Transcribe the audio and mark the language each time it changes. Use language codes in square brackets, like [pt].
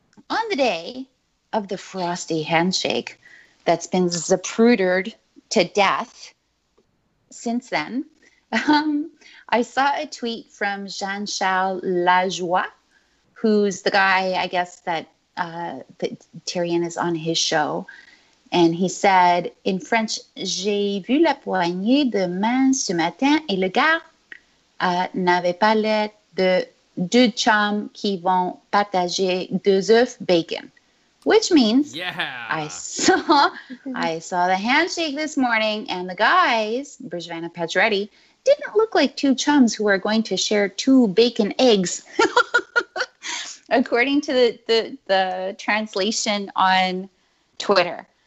[en] on the day of the frosty handshake that's been Zaprudered to death since then, I saw a tweet from Jean-Charles Lajoie, who's the guy, I guess, that Therrien is on his show. And he said, in French, [fr] j'ai vu la poignée de main ce matin et le gars n'avait pas l'air de deux chums qui vont partager deux œufs bacon. [en] Which means, I saw the handshake this morning, and the guys, Brzezvan and Pacioretty, didn't look like two chums who are going to share two bacon eggs. According to the translation on Twitter.